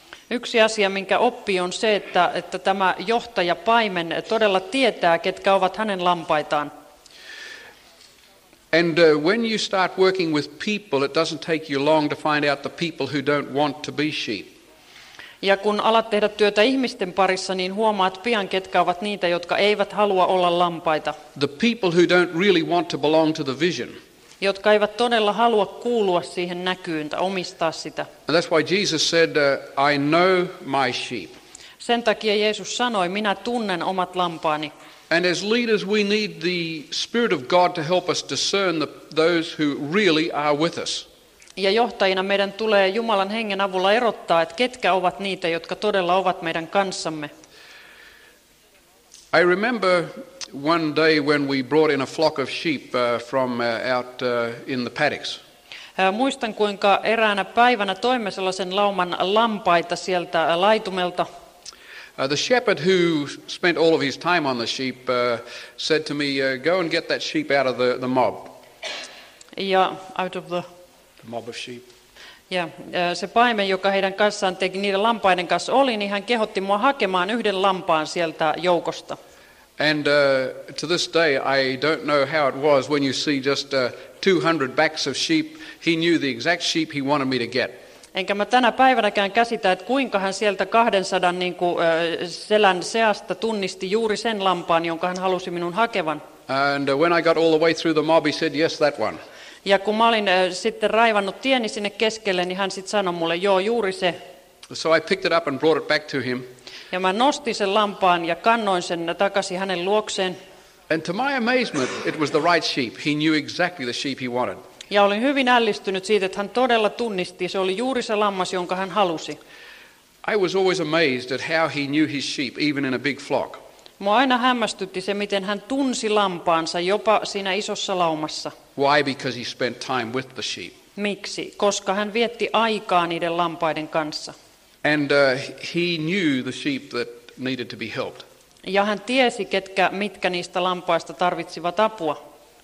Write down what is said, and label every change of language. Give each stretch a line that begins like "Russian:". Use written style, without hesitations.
Finnish: Yksi asia, minkä oppii, on se, että tämä johtaja paimen todella tietää, ketkä ovat hänen lampaitaan.
English: And when you start working with people, it doesn't take you long to find out the people who don't want to be sheep.
Finnish: Ja kun alat tehdä työtä ihmisten parissa, niin huomaat pian, ketkä ovat niitä, jotka eivät halua olla lampaita.
English: The people who don't really want to belong to the vision.
Finnish: Jotka eivät todella halua kuulua siihen näkyyn tai omistaa sitä.
English: And that's why Jesus said, I know my sheep.
Finnish: Sen takia Jeesus sanoi, minä tunnen omat lampaani.
English: And as leaders, we need the Spirit of God to help us discern those who really are with us.
Finnish: Ja johtajina meidän tulee Jumalan hengen avulla erottaa, että ketkä ovat niitä, jotka todella ovat meidän kanssamme.
English: I remember one day when we brought in a flock of sheep from out in the paddocks.
Finnish: Muistan, kuinka eräänä päivänä toimme sellaisen lauman lampaita sieltä laitumelta.
English: The shepherd who spent all of his time on the sheep said to me, go and get that sheep out of the mob. Yeah, out of the mob of sheep.
Finnish: Ja se paimen, joka heidän kanssaan teki niiden lampaiden kanssa oli, niin hän kehotti mua hakemaan yhden lampaan sieltä joukosta.
English: And to this day I don't know how it was when you see just 200 backs of sheep, he knew the exact sheep he wanted me to get.
Finnish: Enkä mä tänä päivänäkään käsitä, että kuinka hän sieltä 200 selän seasta tunnisti juuri sen lampaan, jonka hän halusi minun hakevan.
English: And when I got all the way through the mob, he said yes, that one.
Finnish: Ja kun mä olin sitten raivannut tieni sinne keskelle, niin hän sitten sanoi mulle, joo, juuri se.
English: So I picked it up and brought it back to him.
Finnish: Ja mä nostin sen lampaan ja kannoin sen takaisin hänen luokseen.
English: And to my amazement, it was the right sheep. He knew exactly the sheep he wanted.
Finnish: Ja olin hyvin ällistynyt siitä, että hän todella tunnisti. Se oli juuri se lammas, jonka hän halusi.
English: I was always amazed at how he knew his sheep, even in a big flock.
Finnish: Mua aina hämmästytti se, miten hän tunsi lampaansa jopa siinä isossa laumassa.
English: Why? Because he spent time with the sheep.
Finnish: Miksi? Koska hän vietti aikaa niiden lampaiden kanssa.
English: And he knew the sheep that needed to be helped.
Finnish: Ja hän tiesi, mitkä niistä lampaista tarvitsivat apua.